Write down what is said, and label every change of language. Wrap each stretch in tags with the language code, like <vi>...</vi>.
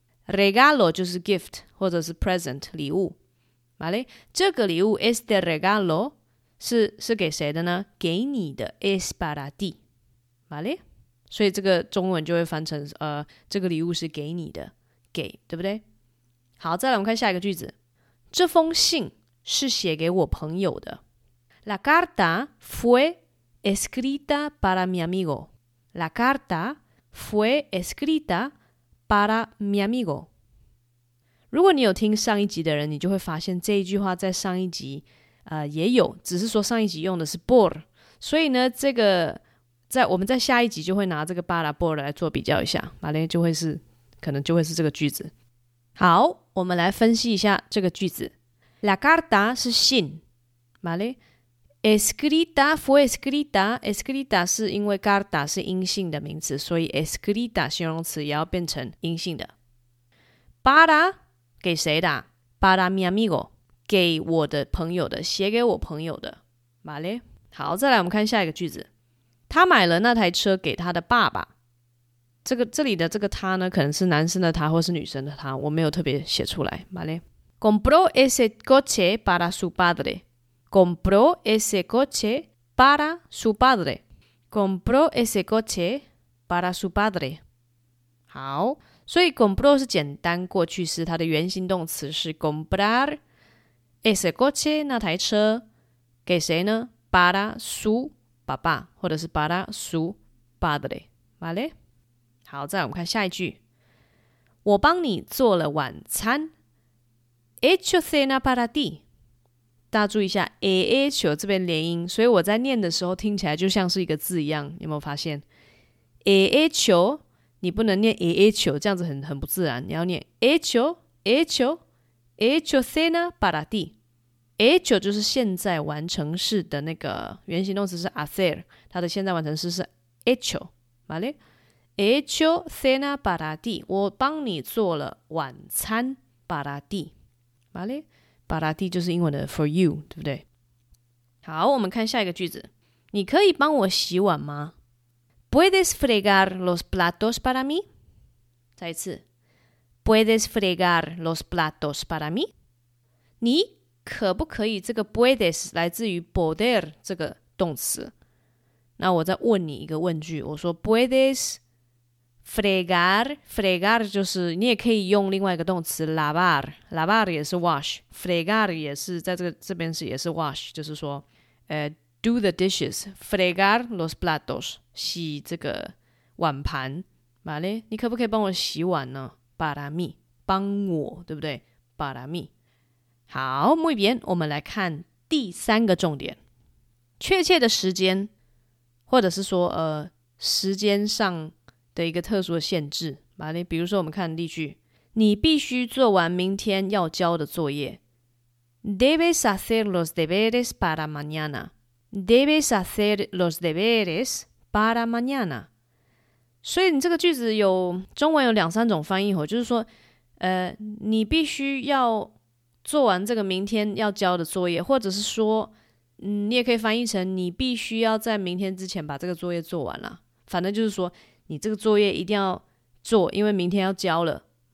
<zh>Regalo 就是 gift 或者是 present 礼物， vale？这个礼物</zh> <es>este regalo</es> <zh>是给谁的呢？给你的</zh> <es>es para ti，</es> <zh>vale？所以这个中文就会翻成这个礼物是给你的，给，对不对？好，再来我们看下一个句子，这封信是写给我朋友的。</zh> <es>La carta fue escrita para mi amigo. La carta fue escrita para mi amigo.</es> <zh>如果你有听上一集的人，你就会发现这一句话在上一集也有，只是说上一集用的是 por， 所以呢，这个在我们在下一集就会拿这个 para por 来做比较一下，vale？就会是可能就会是这个句子。好，我们来分析一下这个句子。 La carta 是信， vale？</zh> <es>Escrita fue escrita.</es> <zh>Escrita 是因为 carta 是阴性的名词，所以 escrita 形容词也要变成阴性的。Para 给谁的？</zh> <es>para mi amigo，</es> <zh>给我的朋友的，写给我朋友的。 vale， 好，再来我们看下一个句子，他买了那台车给他的爸爸。这个这里的这个他呢，可能是男生的他或是女生的他，我没有特别写出来。</zh> <es>vale， compró ese coche para su padre， compró ese coche para su padre， compró ese coche para su padre。</es> <zh>好，所以 compró 是简单过去式，它的原形动词是</zh> <es>comprar ese coche，</es> <zh>那台车给谁呢？</zh> <es>para su papá，</es> <zh>或者是</zh> <es>para su padre。</es> <zh>vale， 好，再来我们看下一句，我帮你做了晚餐。</zh> <es>hecho cena para ti，</es> <zh>大家注意一下 hecho 这边连音，所以我在念的时候听起来就像是一个字一样，有没有发现 hecho？你不能念 hecho， 这样子 很不自然，你要念</zh> <es>hecho hecho hecho cena para ti。</es> <zh>hecho 就是现在完成式的那个原形动词是 hacer， 它的现在完成式是 hecho。 vale，</zh> <es>hecho cena para ti，</es> <zh>我帮你做了晚餐。</zh> <es>para ti，</es> <zh>vale， para ti 就是英文的</zh> <en>for you，</en> <zh>对不对？好，我们看下一个句子，你可以帮我洗碗吗？</zh> <es>¿Puedes fregar los platos para mí?</es> <zh>再一次。</zh> <es>¿Puedes fregar los platos para mí?</es> <zh>你可不可以，这个 puedes 来自于 poder 这个动词。那我再问你一个问句，我说</zh> <es>¿Puedes fregar?</es> <zh>Fregar 就是你也可以用另外一个动词 lavar， lavar 也是 wash， fregar 也是在这个这边是也是 wash， 就是说</zh> <en>Do the dishes,</en> <es>fregar los platos,</es> <zh>洗这个碗盘。 vale， 你可不可以帮我洗碗呢？</zh> <es>para mí，</es> <zh>帮我，对不对？</zh> <es>para mí。</es> <zh>好，</zh> <es>muy bien，</es> <zh>我们来看第三个重点，确切的时间，或者是说时间上的一个特殊的限制。 vale， 比如说我们看例句，你必须做完明天要交的作业。</zh> <es>debes hacer los deberes para mañana，Debes hacer los deberes para mañana。</es> <zh>所以你这个句子有中文有两三种翻译，就是说你必须要做完这个明天要交的作业，或者是说你也可以翻译成你必须要在明天之前把这个作业做完了，反正就是说你这个作业一定要做，因为明天要交了。</zh>